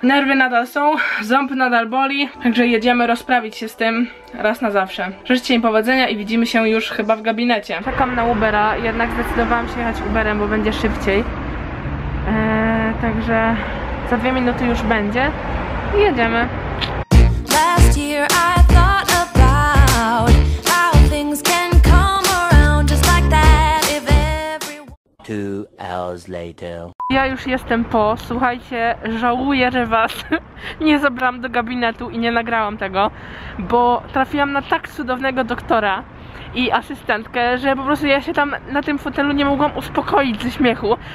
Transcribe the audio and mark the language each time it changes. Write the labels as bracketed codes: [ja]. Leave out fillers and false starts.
[pl] Nerwy nadal są, ząb nadal boli, także jedziemy rozprawić się z tym raz na zawsze. Życzę im powodzenia i widzimy się już chyba w gabinecie. Czekam na Ubera, jednak zdecydowałam się jechać Uberem, bo będzie szybciej. Także za 2 minuty już będzie i jedziemy. [en] I thought about how things can come around just like that if everyone... 2 hours later. [pl] Ja już jestem po, słuchajcie, żałuję, że was nie zabrałam do gabinetu i nie nagrałam tego, bo trafiłam na tak cudownego doktora i asystentkę, że po prostu ja się tam na tym fotelu nie mogłam uspokoić ze śmiechu.